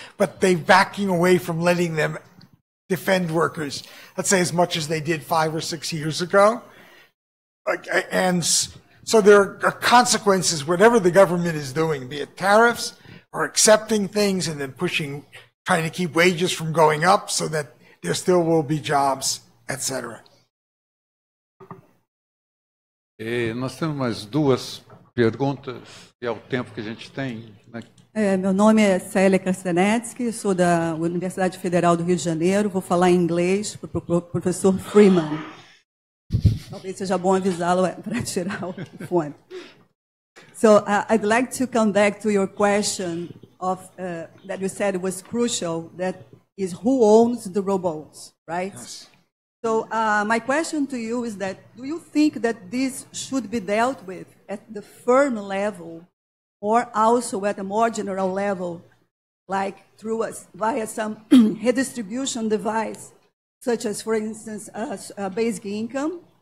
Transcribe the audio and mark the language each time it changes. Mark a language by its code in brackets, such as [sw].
[en] But they're backing away from letting them defend workers, let's say, as much as they did 5 or 6 years ago. And so there are consequences, whatever the government is doing, be it tariffs, or accepting things and then pushing, trying to keep wages from going up so that there still will be jobs, et cetera. [pt] E nós temos mais duas perguntas e é o tempo que a gente tem. Né? Meu nome é Célia Krasnetsky, sou da Universidade Federal do Rio de Janeiro, vou falar em inglês para o professor Freeman. Talvez seja bom avisá-lo para tirar o fone. [en] So I'd like to come back to your question of that you said was crucial, that is who owns the robots, right? Yes. So my question to you is that, do you think that this should be dealt with at the firm level or also at a more general level, like through us via some redistribution device, such as, for instance, a basic income?